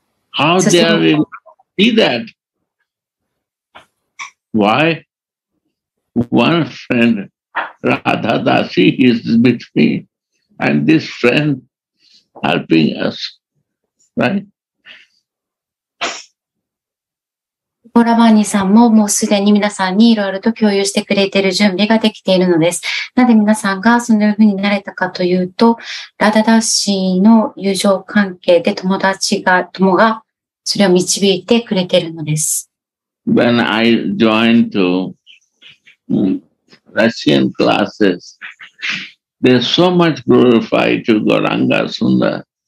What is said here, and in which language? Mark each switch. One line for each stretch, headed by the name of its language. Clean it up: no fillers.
English: How they are able to see that? Why? One friendRadha Dasi is between and this friend helping us, right?
Japanese: ゴラバーニさんももうすでに皆さんにいろいろと共有してくれている準備ができているのです。なぜ皆さんがそのようになれたかというと、Radha Dasiの友情関係で友達が、友がそれを導いてくれているのです。
English: When I joined to,Russian classes, they so much glorify to Gauranga Sundara.